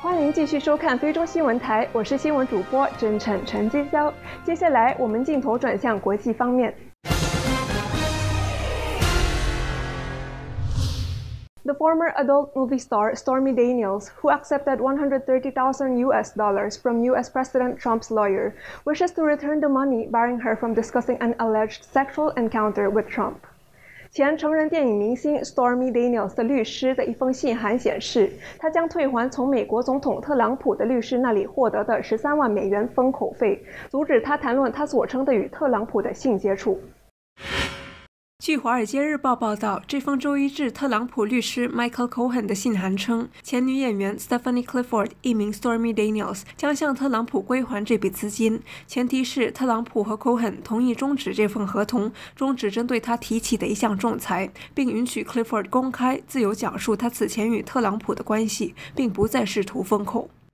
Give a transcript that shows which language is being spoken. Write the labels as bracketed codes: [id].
[zh] 继续收看菲中新闻台，我是新闻主播真诚陈金娇。接下来我们镜头转向国际方面。 [en] The former adult movie star Stormy Daniels, who accepted $130,000 from US President Trump's lawyer, wishes to return the money, barring her from discussing an alleged sexual encounter with Trump. [zh] 前成人电影明星 Stormy Daniels 的律师的一封信函显示，他将退还从美国总统特朗普的律师那里获得的$130,000封口费，阻止他谈论他所称的与特朗普的性接触。据《华尔街日报》报道，这封周一致特朗普律师 Michael Cohen 的信函称，前女演员 Stephanie Clifford 艺名 Stormy Daniels 将向特朗普归还这笔资金，前提是特朗普和 Cohen 同意终止这份合同，终止针对他提起的一项仲裁，并允许 Clifford 公开自由讲述他此前与特朗普的关系，并不再试图封口。